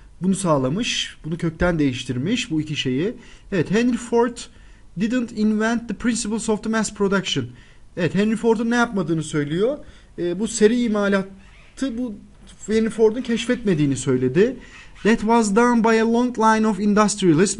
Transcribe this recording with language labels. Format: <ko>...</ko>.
<tr>Bunu sağlamış, bunu kökten değiştirmiş bu iki şeyi. Evet, Henry Ford</tr> <en>didn't invent the principles of the mass production.</en> <tr>Evet, Henry Ford'un ne yapmadığını söylüyor. Bu seri imalatı bu Henry Ford'un keşfetmediğini söyledi.</tr> <en>That was done by a long line of industrialists.</en>